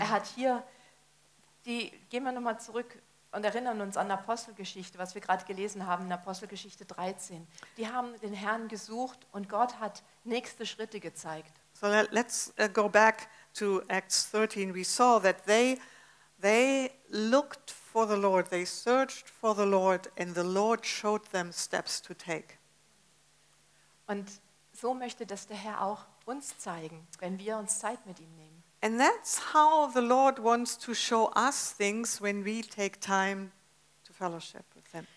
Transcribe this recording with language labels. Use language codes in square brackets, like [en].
[de] Er hat hier die, gehen wir nochmal zurück und erinnern uns an Apostelgeschichte, was wir gerade gelesen haben, in Apostelgeschichte 13. Die haben den Herrn gesucht und Gott hat nächste Schritte gezeigt. [en] So let's go back to Acts 13. We saw that they looked for the Lord, they searched for the Lord and the Lord showed them steps to take. [de] Und so möchte das der Herr auch uns zeigen, wenn wir uns Zeit mit ihm nehmen. [en] And that's how the Lord wants to show us things when we take time to fellowship with him.